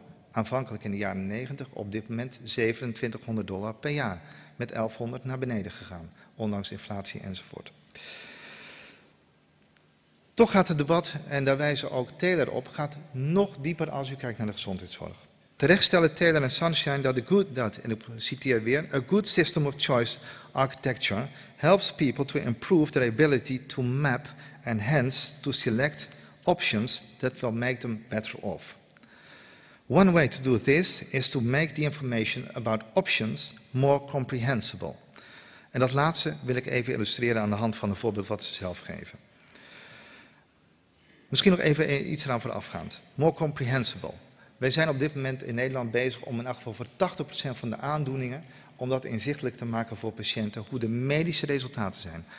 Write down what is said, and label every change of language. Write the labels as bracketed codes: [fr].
[nl] Aanvankelijk in de jaren 90, op dit moment $2700 per jaar. Met $1100 naar beneden gegaan. Ondanks inflatie enzovoort. Toch gaat het debat, en daar wijzen ook Taylor op, gaat nog dieper als u kijkt naar de gezondheidszorg. Terecht stellen Taylor en Sunshine [en] a good system of choice architecture helps people to improve their ability to map and hence to select options that will make them better off. One way to do this is to make the information about options more comprehensible. [nl] En dat laatste wil ik even illustreren aan de hand van een voorbeeld wat ze zelf geven. Misschien nog even iets eraan voorafgaand. [en] More comprehensible. [nl] Wij zijn op dit moment in Nederland bezig om in elk geval voor 80% van de aandoeningen, om dat inzichtelijk te maken voor patiënten, hoe de medische resultaten zijn.